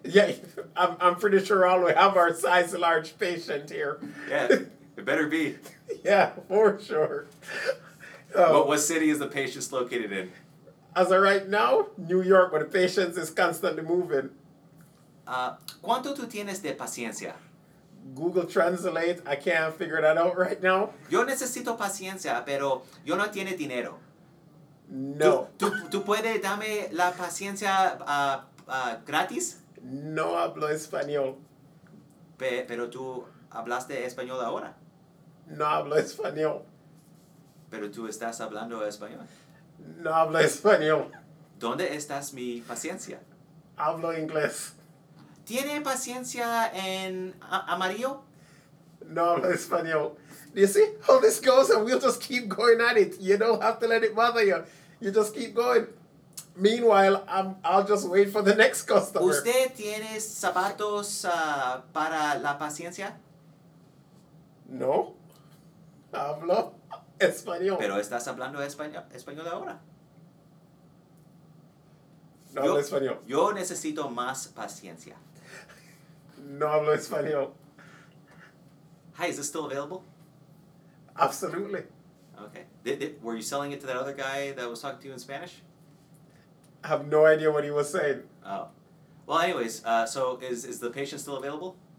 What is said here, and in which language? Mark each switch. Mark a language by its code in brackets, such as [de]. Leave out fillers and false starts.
[en] Yeah, I'm pretty sure all we have our size large patient here. Yeah, it better be. Yeah, for sure. What city is the patient located in? As of right now, New York, but the patience is constantly moving. [es] ¿Cuánto tú tienes de paciencia? [en] Google Translate, I can't figure that out right now. [es] Yo necesito paciencia, pero yo no tiene dinero. No. ¿Tú puedes darme la paciencia gratis? No hablo español. Pero tú hablaste español ahora. No hablo español. Pero tú estás hablando español. No hablo español. ¿Dónde estás mi paciencia? Hablo inglés. ¿Tiene paciencia en amarillo? No hablo español. [en] Do you see how this goes and we'll just keep going at it? You don't have to let it bother you. You just keep going. Meanwhile, I'll just wait for the next customer. [es] ¿Usted tiene zapatos para la paciencia? No. Hablo español. ¿Pero estás hablando español ahora? No hablo español. Yo necesito más paciencia. No hablo español. [en] Hi, is this still available? Absolutely. Okay. Did were you selling it to that other guy that was talking to you in Spanish? I have no idea what he was saying. Oh. Well, anyways, so is the patient still available?